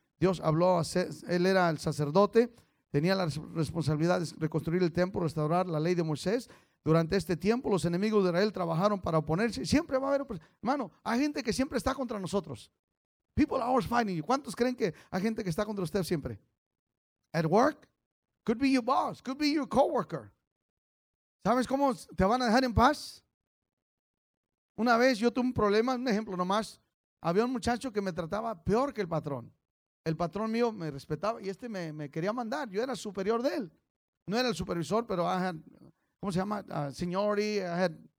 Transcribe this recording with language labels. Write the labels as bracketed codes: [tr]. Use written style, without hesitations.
[es] Dios habló, él era el sacerdote. Tenía la responsabilidad de reconstruir el templo, restaurar la ley de Moisés. Durante este tiempo, los enemigos de Israel trabajaron para oponerse. Siempre va a haber oposición. Hermano, hay gente que siempre está contra nosotros. [en] People are always fighting you. [es] ¿Cuántos creen que hay gente que está contra usted siempre? [en] At work, could be your boss, could be your coworker. [es] ¿Sabes cómo te van a dejar en paz? Una vez yo tuve un problema, un ejemplo nomás. Había un muchacho que me trataba peor que el patrón. El patrón mío me respetaba y este me quería mandar. Yo era superior de él. No era el supervisor, pero [en] I had, [es] ¿cómo se llama? Seniority, I had